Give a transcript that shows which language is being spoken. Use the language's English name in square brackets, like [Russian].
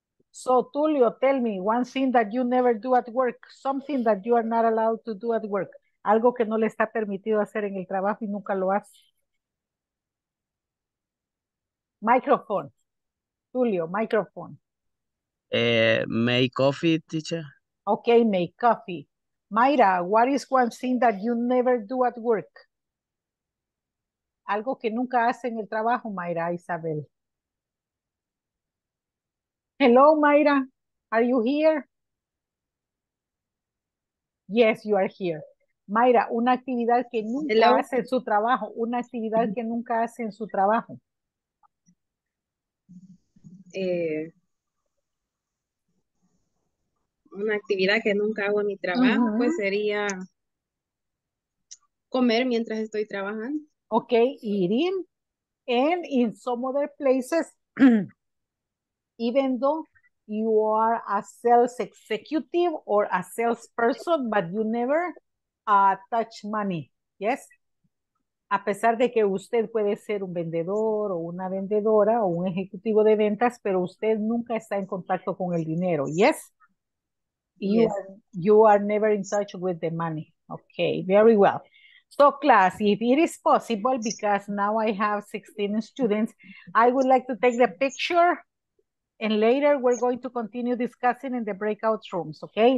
[English] So, Tulio, tell me one thing that you never do at work, something that you are not allowed to do at work. [Spanish] Algo que no le está permitido hacer en el trabajo y nunca lo hace. [English] Microphone. Tulio, microphone. Make coffee, teacher. Okay, make coffee. Mayra, what is one thing that you never do at work? [Spanish] Algo que nunca hace en el trabajo, Mayra, Isabel. [English] Hello, Mayra. Are you here? Yes, you are here. [Spanish] Mayra, una actividad que nunca hace en su trabajo. Una actividad que nunca hace en su trabajo. Una actividad que nunca hago en mi trabajo, uh-huh. Pues sería comer mientras estoy trabajando. [English] Okay, eating, and in some other places, even though you are a sales executive or a salesperson, but you never touch money, yes? [Spanish] A pesar de que usted puede ser un vendedor o una vendedora o un ejecutivo de ventas, pero usted nunca está en contacto con el dinero, yes? [English] You are never in touch with the money. Okay, very well. So class, if it is possible, because now I have 16 students, I would like to take the picture and later we're going to continue discussing in the breakout rooms, okay?